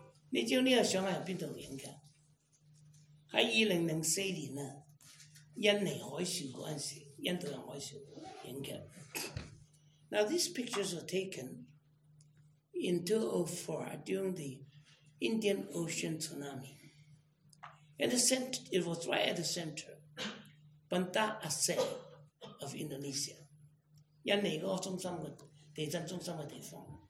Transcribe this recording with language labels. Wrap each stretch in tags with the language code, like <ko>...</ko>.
<yue>你知道呢個相係邊度影嘅？喺2004年啊，印尼海嘯嗰陣時，印度人海嘯影嘅。</yue> <en>Now these pictures were taken in 2004 during the Indian Ocean tsunami. At the center, it was right at the center, Banda Aceh of Indonesia.</en> <yue>印尼嗰個中心嘅地震中心嘅地方。</yue>